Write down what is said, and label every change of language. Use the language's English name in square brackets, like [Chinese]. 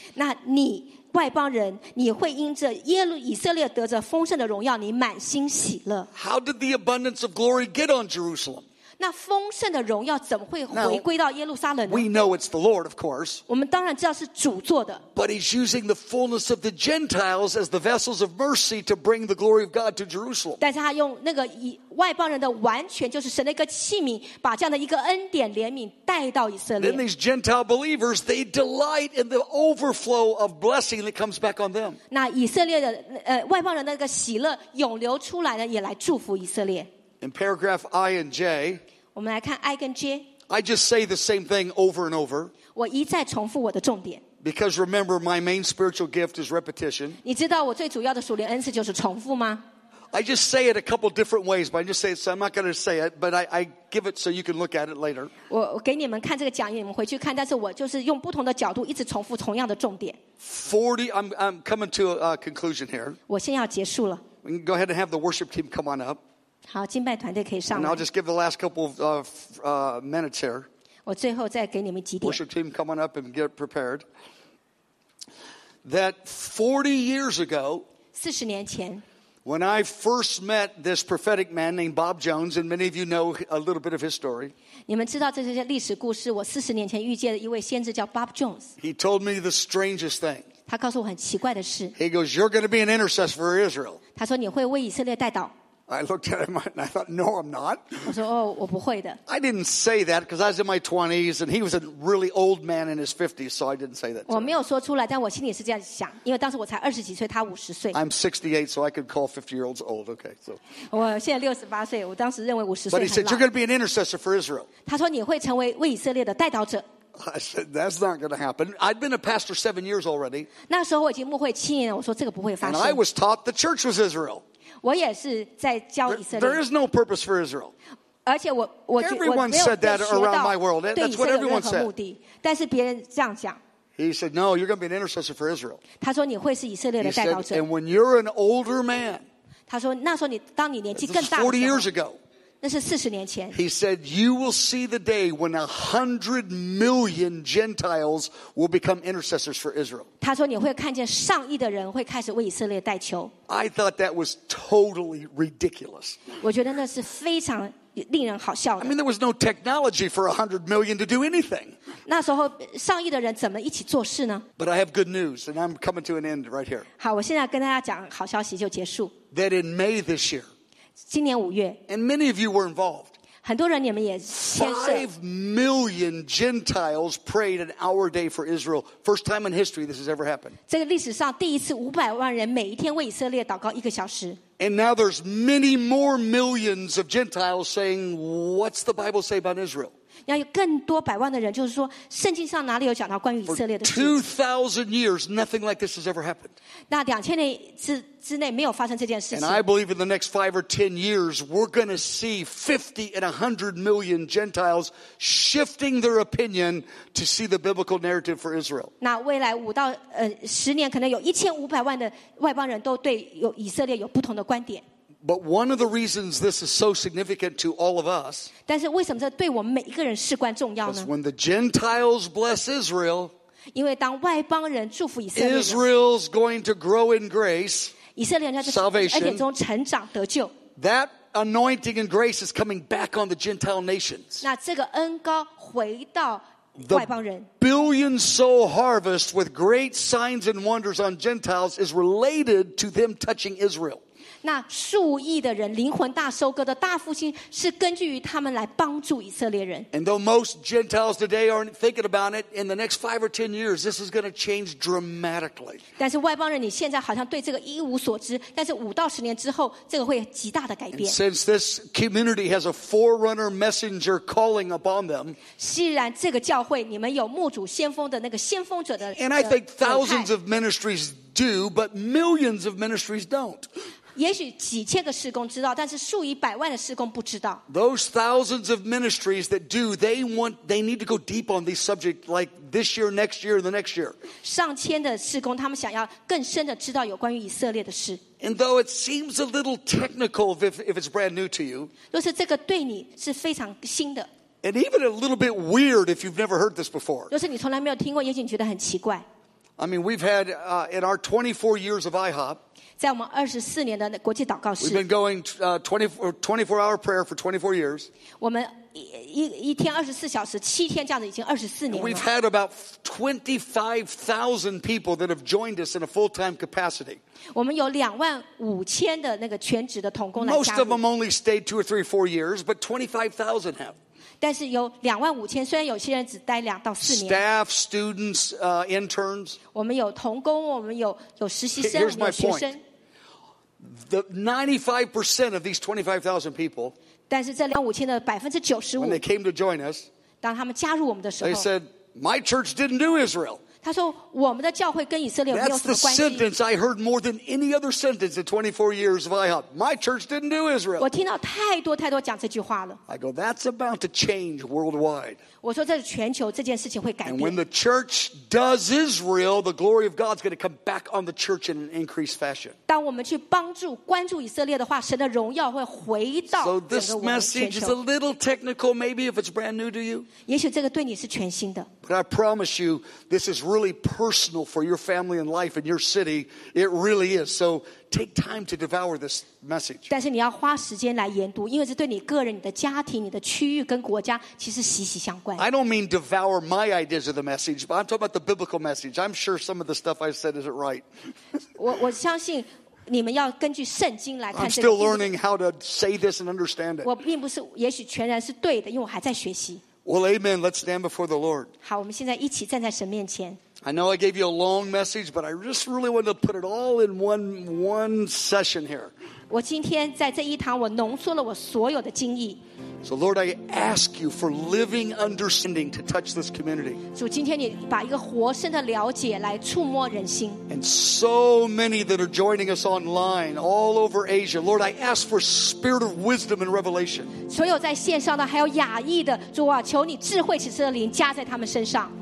[Chinese] 那你外邦人你会因着耶路以色列得着丰盛的荣耀你满心喜乐 [English] How did the abundance of glory get on Jerusalem? [Chinese] 那丰盛的荣耀怎么会回归到耶路撒冷呢 [English] We know it's the Lord, of course. [Chinese] 我们当然知道是主做的。 [English] But he's using the fullness of the Gentiles as the vessels of mercy to bring the glory of God to Jerusalem. [Chinese] 但是他用那个外邦人的完全就是神的一个器皿把这样的一个恩典怜悯带到以色列。 [English] Then these Gentile believers, they delight in the overflow of blessing that comes back on them. [Chinese] 那以色列的外邦人的那个喜乐涌流出来呢也来祝福以色列。 [English] In paragraph I and J, [Chinese] 我们来看 I 跟 J. [English] I just say the same thing over and over. [Chinese] 我一再重复我的重点。 [English] Because remember, my main spiritual gift is repetition. [Chinese] 你知道我最主要的属灵恩赐就是重复吗？ [English] I just say it a couple different ways, but I just say it, so I'm not going to say it, but I give it so you can look at it later. [Chinese] 我给你们看这个讲义，你们回去看，但是我就是用不同的角度一直重复同样的重点。 [English] 40, I'm coming to a conclusion here. [Chinese] 我先要结束了。 [English] We can go ahead and have the worship team come on up. [Chinese] 好，敬拜团队可以上来。 [English] And I'll just give the last couple of minutes here. [Chinese] 我最后再给你们几点。 [English] Worship team, come on up and get prepared. That 40 years ago, [Chinese] 40年前 [English] when I first met this prophetic man named Bob Jones, and many of you know a little bit of his story. [Chinese] 你们知道这些历史故事。我40年前遇见的一位先知叫 Bob Jones. [English] He told me the strangest thing. [Chinese] 他告诉我很奇怪的事。 [English] He goes, "You're going to be an intercessor for Israel." [Chinese] 他说你会为以色列代祷。 [English] I looked at him and I thought, no, I'm not. [Chinese] 我说，哦，我不会的。 [English] I didn't say that because I was in my 20s and he was a really old man in his 50s, so I didn't say that. [Chinese] 我没有说出来，但我心里是这样想，因为当时我才二十几岁，他五十岁。 [English] I'm 68, so I could call 50-year-olds old. Okay, so. [Chinese] 我现在68岁，我当时认为五十岁。 [English] But he said, you're going to be an intercessor for Israel. [Chinese] 他说你会成为为以色列的代祷者。 [English] I said, that's not going to happen. I'd been a pastor 7 years already. [Chinese] 那时候我已经牧会七年了，我说这个不会发生。 [English] And I was taught the church was Israel. [Chinese] 我也是在教以色列。 [English] There is no purpose for Israel. [Chinese] 而且我 [English] Everyone said that around my world. That's what everyone said. [Chinese] 但是别人这样讲。 [English] He said, no, you're going to be an intercessor for Israel. [Chinese] 他说你会是以色列的代祷者。 [English] He said, and when you're an older man, [Chinese] 他说那时候你当你年纪更大的时候。 [English] 40 years ago. [Chinese] 那是40年前。 [English] He said, you will see the day when 100 million Gentiles will become intercessors for Israel. [Chinese] 他说你会看见上亿的人会开始为以色列代求。 [English] I thought that was totally ridiculous. [Chinese] 我觉得那是非常令人好笑的。 [English] I mean, there was no technology for 100 million to do anything. [Chinese] 那时候上亿的人怎么一起做事呢？ [English] But I have good news, and I'm coming to an end right here. [Chinese] 好，我现在跟大家讲好消息就结束。 [English] That in May this year, [Chinese] 今年五月 [English] and many of you were involved. [Chinese] 很多人你们也牵涉 [English] 5 million Gentiles prayed an hour day for Israel. First time in history this has ever happened. [Chinese] 这个历史上第一次500万人每一天为以色列祷告一个小时。 [English] And now there's many more millions of Gentiles saying, "What's the Bible say about Israel?" [Chinese] 要有更多百万的人就是说，圣经上哪里有讲到关于以色列的事 [English] ？2,000 years, nothing like this has ever happened. [Chinese] 那2000年之内没有发生这件事情。 [English] And I believe in the next 5 or 10 years, we're going to see 50 and 100 million Gentiles shifting their opinion to see the biblical narrative for Israel. [Chinese] 那未来五到十年，可能有1500万的外邦人都对有以色列有不同的观点。 [English] But one of the reasons this is so significant to all of us, [Chinese] 但是为什么这对我们每一个人事关重要呢？ [English] Because when the Gentiles bless Israel, [Chinese] 因为当外邦人祝福以色列， [English] Israel's going to grow in grace, [Chinese] 以色列人在 [English] salvation, [Chinese] 恩典中成长得救。 [English] That anointing and grace is coming back on the Gentile nations. [Chinese] 那这个恩膏回到 [English] The billion soul harvest with great signs and wonders on Gentiles is related to them touching Israel. [Chinese] 那数亿的人灵魂大收割的大复兴是根据于他们来帮助以色列人。 [English] And though most Gentiles today aren't thinking about it, in the next 5 or 10 years, this is going to change dramatically. [Chinese] 但是外邦人，你现在好像对这个一无所知，但是五到十年之后，这个会极大的改变。 [English] And since this community has a forerunner messenger calling upon them, [Chinese] 既然这个教会你们有牧主先锋的那个先锋者的， [English] And I think thousands of ministries do, but millions of ministries don't. [Chinese] 也许几千个事工知道，但是数以百万的事工不知道。 [English] Those thousands of ministries that do, they need to go deep on these subjects, like this year, next year, and the next year. [Chinese] 上千的事工，他们想要更深的知道有关于以色列的事。 [English] And though it seems a little technical, if it's brand new to you, [Chinese] 若是这个对你是非常新的。 [English] And even a little bit weird if you've never heard this before. [Chinese] 若是你从来没有听过，也许你觉得很奇怪。 [English] I mean, we've had in our 24 years of IHOP. [Chinese] 在我们二十四年的国际祷告室 [English] ，We've been going 24-hour prayer for 24 years. [Chinese] 我们一天二十四小时，七天这样子已经二十四年了。 [English] We've had about 25,000 people that have joined us in a full-time capacity. [Chinese] 我们有25,000的那个全职的同工来加入。 [English] Most of them only stayed 2 or 3, 4 years, but 25,000 have. [Chinese] 但是有25,000，虽然有些人只待2到4年。 [English] Staff, students, interns. [Chinese] 我们有同工，我们有实习生，有学生。 [English] The 95% of these 25,000 people, [Chinese] 但是这25,000的95%, [English] when they came to join us, [Chinese] 当他们加入我们的时候, [English] they said, my church didn't do Israel. [Chinese] 他说我们的教会跟以色列没有什么关系。 [English] That's the sentence I heard more than any other sentence in 24 years of IHOP. My church didn't do Israel. [Chinese] 我听到太多太多讲这句话了。 [English] I go, that's about to change worldwide. [Chinese] 我说这是全球这件事情会改变。 [English] And when the church does Israel, the glory of God's going to come back on the church in an increased fashion. [Chinese] 当我们去帮助关注以色列的话，神的荣耀会回到。 [English] So this message is a little technical, maybe if it's brand new to you. [Chinese] 也许这个对你是全新的。 [English] But I promise you, this is really personal for your family and life in your city. It really is. So take time to devour this message. [Chinese] 但是你要花时间来研读，因为这对你个人、你的家庭、你的区域跟国家其实息息相关。 [English] I don't mean devour my ideas of the message, but I'm talking about the biblical message. I'm sure some of the stuff I said isn't right. [Chinese] 我相信你们要根据圣经来看这个。 [English] I'm still learning how to say this and understand it. [Chinese] 我并不是也许全然是对的，因为我还在学习。 [English] Well, amen. Let's stand before the Lord. [Chinese] 好，我们现在一起站在神面前。 [English] I know I gave you a long message, but I just really wanted to put it all in one session here. [Chinese] 我今天在这一堂，我浓缩了我所有的经意。 [English] So, Lord, I ask you for living understanding to touch this community. [Chinese] 主，今天你把一个活生的了解来触摸人心。 [English] And so many that are joining us online, all over Asia, Lord, I ask for spirit of wisdom and revelation. [Chinese] 所有在线上的，还有亚裔的，主啊，求你智慧启示的灵加在他们身上。